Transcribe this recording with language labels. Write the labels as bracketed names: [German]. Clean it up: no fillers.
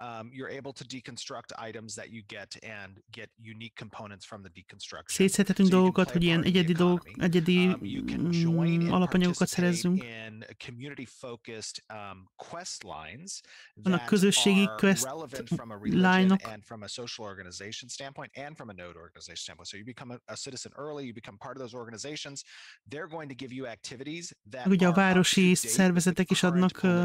[English] You're able to deconstruct items that you get and get unique components from the deconstruction. [Hungarian] Szétszedhetünk dolgokat, hogy ilyen egyedi dolgok, egyedi alapanyagokat szerezzünk. [English] Community focused quest lines. [Hungarian] Közösségi quest line-ok. [English] And from a social organization standpoint and from a node organization standpoint. So you become a citizen early, you become part of those organizations. They're going to give you activities that [Hungarian] ugye a városi szervezetek is adnak